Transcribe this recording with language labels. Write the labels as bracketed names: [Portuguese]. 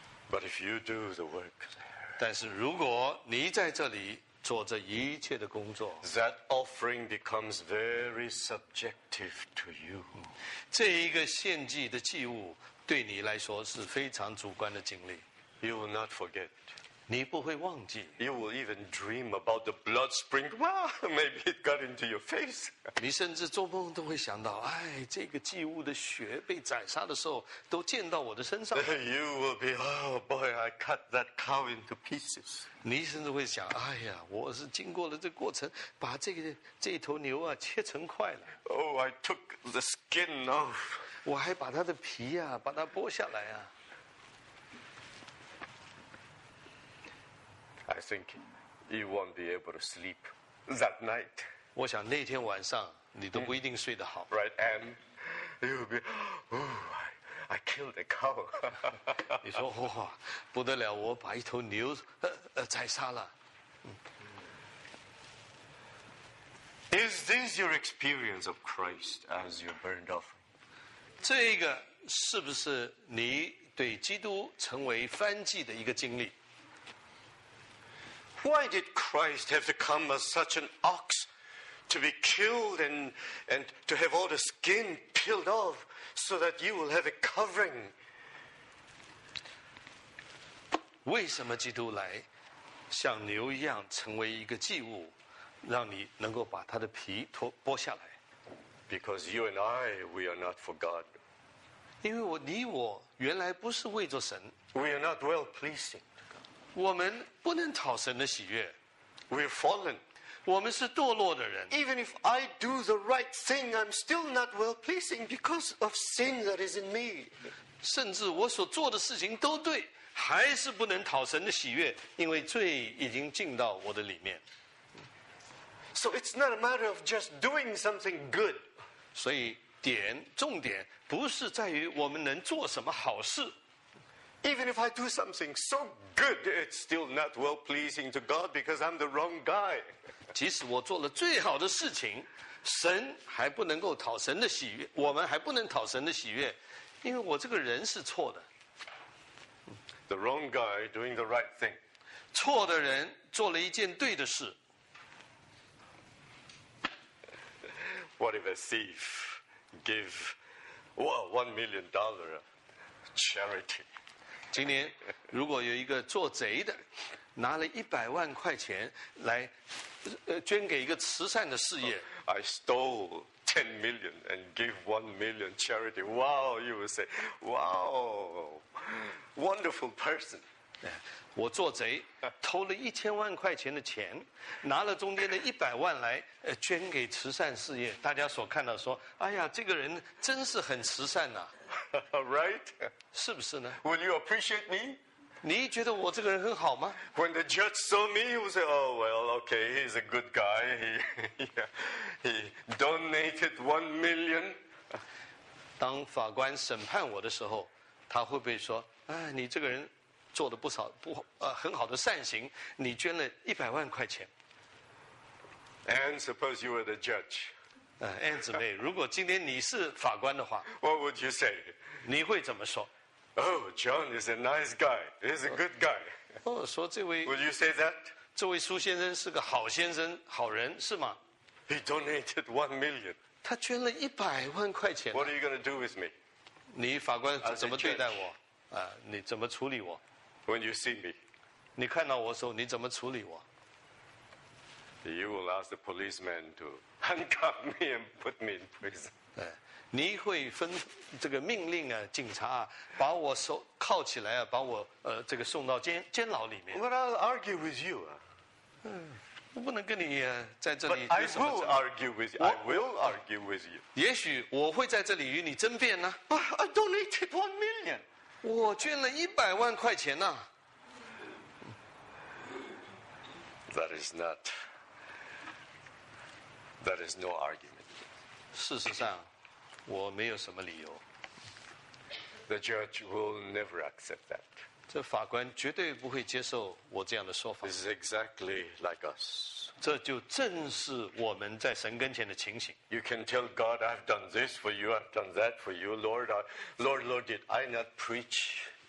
[English] But if you do the work, [Chinese] 但是如果你在这里做这一切的工作 [English] ，that offering becomes very subjective to you. [Chinese] 这一个献祭的祭物对你来说是非常主观的经历。 [English] You will not forget. [Chinese] 你不会忘记。 [English] You will even dream about the blood sprinkled. Well, maybe it got into your face. [Chinese] 你甚至做梦都会想到，哎，这个祭物的血被宰杀的时候，都溅到我的身上。 [English] You will be, oh boy, I cut that cow into pieces. [Chinese] 你甚至会想，哎呀，我是经过了这个过程，把这头牛啊切成块了。 [English] Oh, I took the skin off. [Chinese] 我还把它的皮啊，把它剥下来啊。 [English] I think you won't be able to sleep that night. [Chinese] 我想那天晚上你都不一定睡得好。 [English] Right, and you'll be, oh, I killed a cow. [Chinese] 你说哇，不得了，我把一头牛宰杀了。 [English] Is this your experience of Christ as your burnt offering? [Chinese] 这个是不是你对基督成为燔祭的一个经历？ [English] Why did Christ have to come as such an ox to be killed and to have all the skin peeled off so that you will have a covering? [Chinese] 为什么基督来像牛一样成为一个祭物，让你能够把他的皮剥下来？ [English] Because you and I, we are not for God. [Chinese] 因为你我原来不是为着神。 [English] We are not well pleasing. [Chinese] 我们不能讨神的喜悦。 [English] We're fallen. [Chinese] 我们是堕落的人。 [English] Even if I do the right thing, I'm still not well pleasing because of sin that is in me. [Chinese] 甚至我所做的事情都对，还是不能讨神的喜悦，因为罪已经进到我的里面。 [English] So it's not a matter of just doing something good. [Chinese] 所以点重点不是在于我们能做什么好事。 [English] Even if I do something so good, it's still not well pleasing to God because I'm the wrong guy. [Chinese] 即使我做了最好的事情，神还不能够讨神的喜悦，我们还不能讨神的喜悦，因为我这个人是错的。 [English] The wrong guy doing the right thing. [Chinese] 错的人做了一件对的事。 [English] What if a thief give, well, $1 million charity? [Chinese] 今年如果有一个做贼的拿了100万块钱来捐给一个慈善的事业。 [English] I stole $10 million and give $1 million charity. Wow, you would say, wow, wonderful person. [Chinese] 我做贼偷了1000万块钱的钱拿了中间的100万来捐给慈善事业。大家所看到说哎呀这个人真是很慈善啊。 [English] Right? [Chinese] 是不是呢 [English] Will you appreciate me? [Chinese] 你觉得我这个人很好吗 [English] When the judge saw me, he would say, oh, well, okay, he's a good guy. He donated $1 million. [Chinese] 当法官审判我的时候他会不会说哎，你这个人做的不少不很好的善行你捐了100万块钱。 [English] And suppose you were the judge. [Chinese] Anne 姊妹如果今天你是法官的话。 [English] What would you say? [Chinese] 你会怎么说 [English] Oh, John is a nice guy. He's a good guy. [Chinese] 哦说这位。 [English] Would you say that? [Chinese] 这位苏先生是个好先生好人是吗 [English] He donated $1 million. [Chinese] 他捐了100万块钱。 [English] What are you going to do with me? [Chinese] 你法官怎么对待我你怎么处理我 [English] When you see me, [Chinese] 你看到我的时候，你怎么处理我 [English] ？You will ask the policeman to handcuff me and put me in prison. [Chinese] 你会分这个命令啊，警察啊，把我手铐起来啊，把我这个送到监牢里面。 [English] But I'll argue with you. [Chinese] 我不能跟你在这里。 [English] But I will argue with you. I will argue with you. [Chinese] 也许我会在这里与你争辩呢。 [English] But I donated $1 million. [Chinese] 我捐了100万块钱呢、啊。 [English] That is no argument. [Chinese] 事实上，我没有什么理由。 [English] The judge will never accept that. [Chinese] 这法官绝对不会接受我这样的说法。 [English] This is exactly like us. [Chinese] 这就正是我们在神跟前的情形。 [English] You can tell God, I've done this for you, I've done that for you, Lord, Lord, Lord, did I not preach?